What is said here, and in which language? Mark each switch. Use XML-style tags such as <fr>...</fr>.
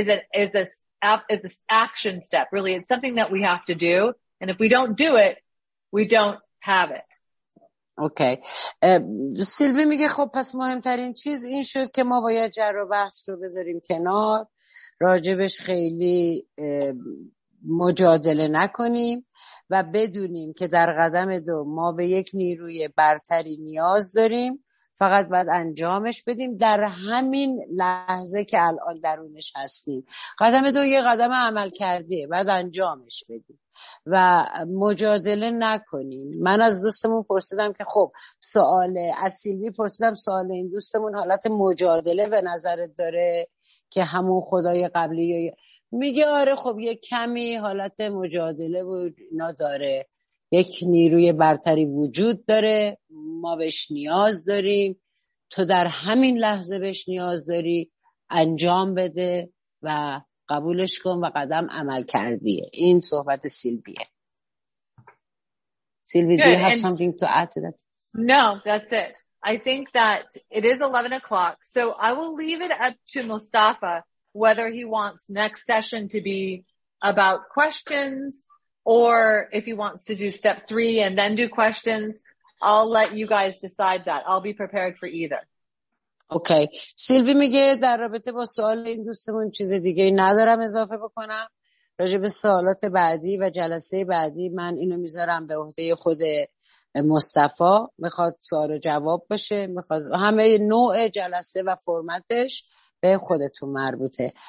<en>It doesn't matter, step two is this action step. Really, it's something that we have to do, and if we don't do it, we don't have it. Okay.</en> <fa>سیلوی میگه خب پس مهمترین چیز این شد که ما باید جر و بحث رو بذاریم کنار، راجبش خیلی مجادله نکنیم و بدونیم که در قدم دو ما به یک نیروی برتری نیاز داریم، فقط باید انجامش بدیم در همین لحظه که الان درونش هستیم. قدم دو یه قدم عمل کرده، باید انجامش بدیم و مجادله نکنیم. من از دوستمون پرسیدم که خب سوال از سیلوی پرسیدم سوال این دوستمون حالت مجادله به نظرت داره که همون خدای قبلی، میگه آره خب یه کمی حالت مجادله و اینا داره، یک نیروی برتری وجود داره، ما بهش نیاز داریم، تو در همین لحظه بهش نیاز داری، انجام بده و قبولش کن و قدم عمل کردیه. این صحبت سیلویه.</fa> <en>Sylvie, do you have something to add to that? No, that's it. I think that it is 11 o'clock, so I will leave it up to Mustafa whether he wants next session to be about questions or if he wants to do step three and then do questions. I'll let you guys decide that. I'll be prepared for either. Okay.</en> <fa>Sylvie میگه در رابطه با سوال این دوستمون چیز دیگه ندارم اضافه بکنم. راجع به سوالات بعدی و جلسه بعدی من اینو میذارم به عهده خود مصطفی، میخواد سوال و جواب باشه، میخواد همه نوع جلسه و فرمتش به خودتون مربوطه.</fa>